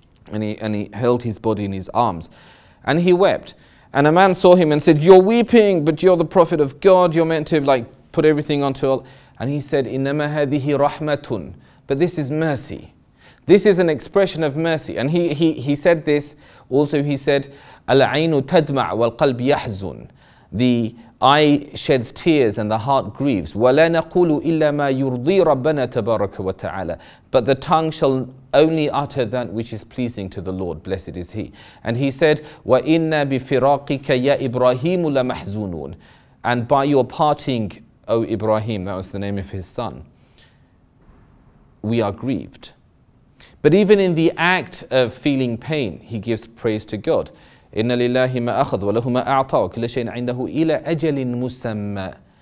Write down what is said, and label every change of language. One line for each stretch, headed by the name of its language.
English: And he held his body in his arms. And he wept. And a man saw him and said, you're weeping, but you're the prophet of God. You're meant to like put everything onto Allah. And he said,
Arabic: إِنَّمَا هَذِهِ رَحْمَةٌ.
English: But this is mercy. This is an expression of mercy. And he said this. Also he said,
Arabic: الْعَيْنُ تَدْمَعْ وَالْقَلْبِ يَحْزُنْ.
English: The eye sheds tears and the heart grieves.
Arabic: وَلَا نَقُولُ إِلَّا مَا يُرْضِي رَبَّنَا تَبَارَكَ وَتَعَالَى.
English: But the tongue shall only utter that which is pleasing to the Lord. Blessed is He. And he said,
Arabic: وَإِنَّا بِفِرَاقِكَ يَا إِبْرَاهِيمُ لَمَحْزُونُونَ.
English: And by your parting, O Ibrahim, that was the name of his son, we are grieved. But even in the act of feeling pain, he gives praise to God.
Arabic: إِنَّ لِلَّهِ مَا أَخَذْ وَلَهُ مَا أَعْطَى وَكُلَّ شَيْءٍ عِنْدَهُ إِلَىٰ أَجَلٍ مُسَمَّى.